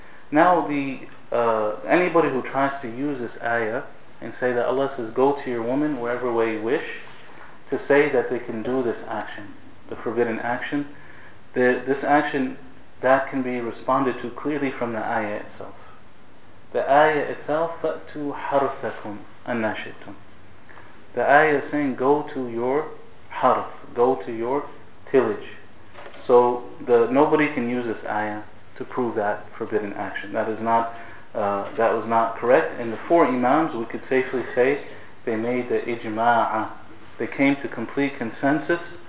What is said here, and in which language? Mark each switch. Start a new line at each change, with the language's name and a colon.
English: Now, anybody who tries to use this ayah and say that Allah says, go to your woman wherever way you wish, to say that they can do this action, the forbidden action, this action, that can be responded to clearly from the ayah itself. The ayah itself,
Arabic: فَأْتُوا حَرْثَكُمْ أَنَّا شِئْتُمْ.
English: The ayah is saying, go to your harf, go to your tillage. So nobody can use this ayah to prove that forbidden action. That was not correct. And the four imams, we could safely say, they made the ijma'ah. They came to complete consensus